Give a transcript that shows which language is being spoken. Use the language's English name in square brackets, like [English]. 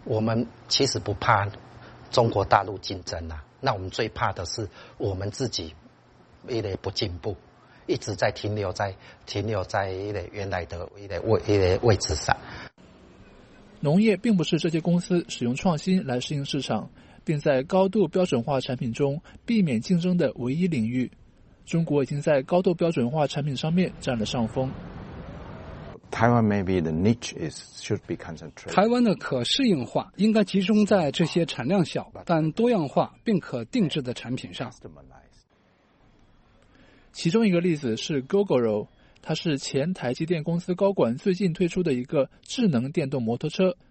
[Chinese] 我们其实不怕中国大陆竞争啊，那我们最怕的是我们自己一类不进步，一直在停留在一类原来的位置上。农业并不是这些公司使用创新来适应市场并在高度标准化产品中避免竞争的唯一领域。中国已经在高度标准化产品上面占了上风。 [English] Taiwan maybe the niche is should be concentrated. [Chinese] 台湾的可适应化应该集中在这些产量小但多样化并可定制的产品上。其中一个例子是 Gogoro， 它是前台积电公司高管最近推出的一个智能电动摩托车。